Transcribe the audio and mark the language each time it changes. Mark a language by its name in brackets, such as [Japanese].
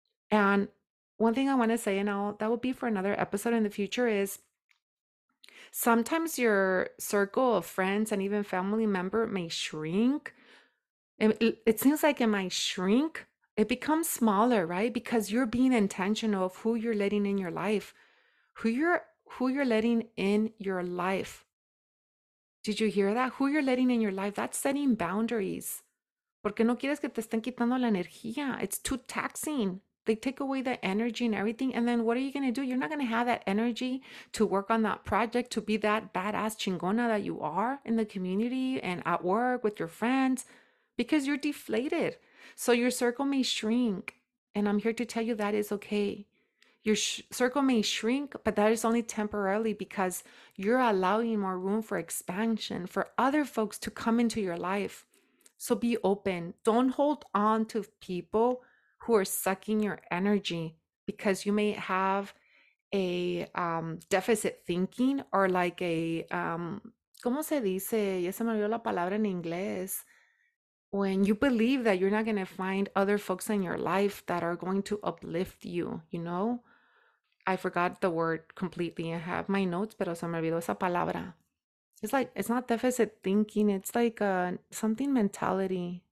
[English] And one thing I want to say, and that will be for another episode in the future, is sometimes your circle of friends and even family member may shrink. It seems like it might shrink. It becomes smaller, right? Because you're being intentional of who you're letting in your life, who you're letting in your life. Did you hear that? Who you're letting in your life? That's setting boundaries. [Spanish] Porque no quieres que te estén quitando la energía. [English] It's too taxing. They take away the energy and everything. And then what are you going to do? You're not going to have that energy to work on that project, to be that badass chingona that you are in the community and at work with your friends. Because you're deflated. So your circle may shrink. And I'm here to tell you that is okay. Your circle may shrink, but that is only temporarily because you're allowing more room for expansion for other folks to come into your life. So be open. Don't hold on to people who are sucking your energy because you may have a deficit thinking or like a, [Spanish] ¿cómo se dice? Ya se me olvidó la palabra en inglés. [English] When you believe that you're not going to find other folks in your life that are going to uplift you, you know? I forgot the word completely. I have my notes, [Spanish] pero se me olvidó esa palabra. [English] It's like, it's not deficit thinking. It's like a something mentality.